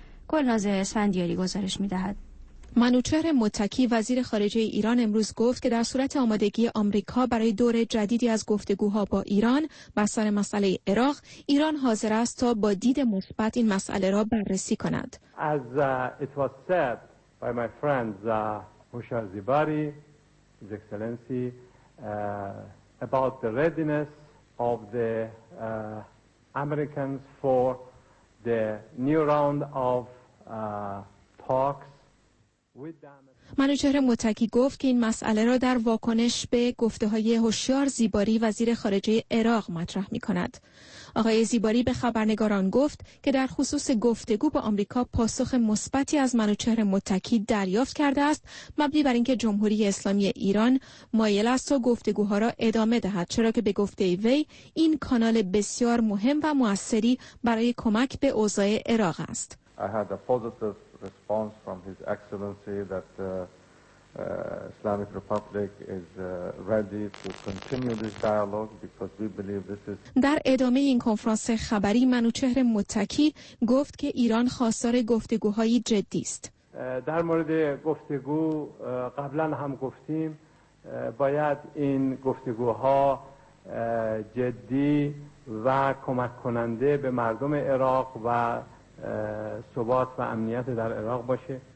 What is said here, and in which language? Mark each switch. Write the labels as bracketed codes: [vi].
[fa] گلناز اسفندیاری گزارش می دهد. منوچهر متکی وزیر خارجه ایران امروز گفت که در صورت آمادگی آمریکا برای دور جدیدی از گفتگوها با ایران بر سر مسئله عراق، ایران حاضر است تا با دید مثبت این مسئله را بررسی کند. [en] As it was said by my friends Hoshyar Zebari, His Excellency, about the readiness of the Americans for the new round of talks with the Americans. [fa] منوچهر متکی گفت که این مسئله را در واکنش به گفته‌های هوشیار زیباری وزیر خارجه عراق مطرح می‌کند. آقای زیباری به خبرنگاران گفت که در خصوص گفتگو با آمریکا پاسخ مثبتی از منوچهر متکی دریافت کرده است، مبنی بر اینکه جمهوری اسلامی ایران مایل است تا گفتگوها را ادامه دهد، چرا که به گفته وی این کانال بسیار مهم و موثری برای کمک به اوضاع عراق است. [en] Response from His Excellency that the Islamic Republic is ready to continue this dialogue because we believe this is. [fa] در ادامه این کنفرانس خبری منوچهر متکی گفت که ایران خواستار گفتگوهای جدی است. در مورد گفتگو قبلا هم گفتیم باید این گفتگوها جدی و کمک کننده به مردم عراق و ثبات و امنیت در عراق باشه.